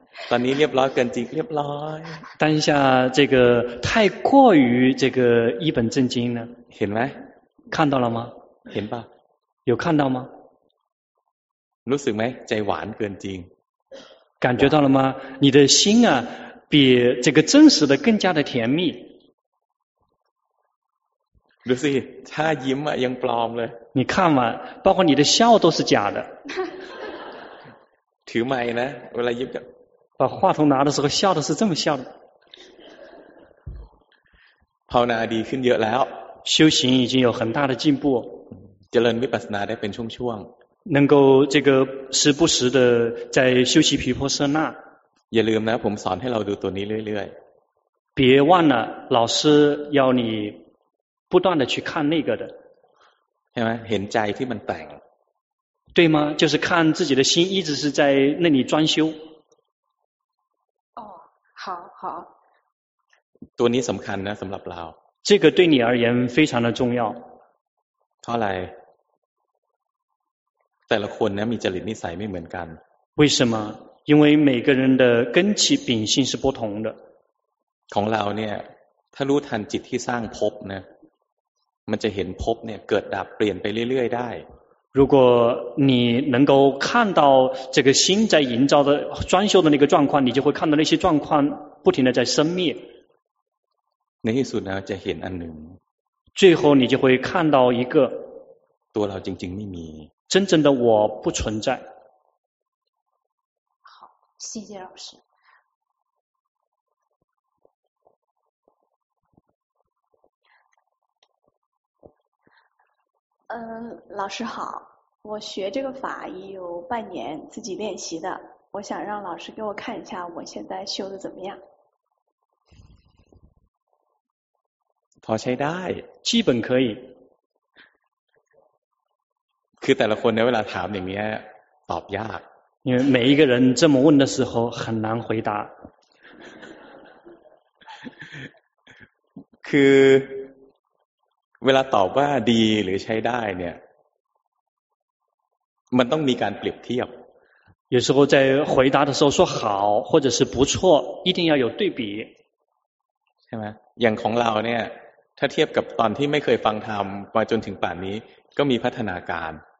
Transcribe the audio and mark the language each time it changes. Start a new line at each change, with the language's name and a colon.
Thai: ตอนนี้เรียบร้อยเกินจริงเรียบร้อย
Chinese: 当下这个太过于这个一本正经呢
Thai: เห็นไหม
Chinese: 看到了吗
Thai: เห็นป่ะ
Chinese: 有看到吗
Thai: รู้สึกไหมใจหวานเกินจริง
Chinese: 感觉到了吗你的心啊比这个真实的更加的甜蜜
Thai: รู้สิถ้ายิ้มอ่ะยังปลอมเลย
Chinese: 你看嘛包括你的笑都是假的
Thai: ถือไมค์นะเวลายิ้มก็
Chinese: 把话筒拿的时候笑的是这么笑的
Thai: ภาวนาดีขึ้นเยอะแล้ว
Chinese: 修行已经有很大的进步
Thai: เจริญวิปัสสนาได้เป็นช่วง
Chinese: 能够这个时不时的在修习毗婆舍那
Thai: อย่าลืมนะผมสอนให้เราดูตัวนี้เรื่อย
Chinese: ๆ别忘了老师要你不断的去看那个的
Thai: เห็นไหมเห็นใจที่มันแต่ง
Chinese: 对吗就是看自己的心一直是在那里装修哦好好
Thai: ตัวนี้สำคัญนะสำหรับเรา
Chinese: 这个对你而言非常的重要
Thai: เพราะอะไรแต่ละคนนะมีจริตนิสัยไม่เหมือนกัน
Chinese: 为什么因为每个人的根基秉性是不同的
Thai: ของเราเนี่ยถ้ารู้ทันจิตที่สร้างภพนะมันจะเห็นภพเนี่ยเกิดดับเปลี่ยนไปเรื่อยๆได้
Chinese: 如果你能够看到这个心在营造的装修的那个状况你就会看到那些状况不停的在生灭
Thai: ในที่สุดนะจะเห็นอันหนึ่ง
Chinese: 最后你就会看到一个
Thai: ตัวเราจริงๆไม่มี
Chinese: 真正的我不存在好谢谢老师老师好我学这个法已有半年自己练习的我想让老师给我看一下我现在修的怎么样
Thai: พอใช้ได้
Chinese: 基本可以
Thai: คือแต่ละคนในเวลาถามอย่างนี้ตอบยาก
Chinese: 因为每一个人这么问的时候很难回答
Thai: คือเ เวลาตอบว่าดีหรือใช้ได้เนี่ยมันต้องมีการเปรียบเทียบ
Chinese: 有时候在回答的时候说好或者是不错一定要有对比
Thai: ใช่ไหมอย่างของเราเนี่ยถ้าเทียบกับตอนที่ไม่เคยฟังธรรมมาจนถึงป่านนี้ก็มีพัฒนาการ